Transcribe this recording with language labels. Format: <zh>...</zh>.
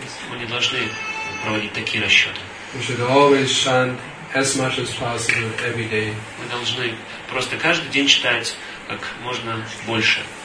<ru>Мы не должны проводить такие расчеты.</ru> <en>We should always chant as much as possible every day.</en> <ru>Мы должны просто каждый день читать как можно больше.</ru>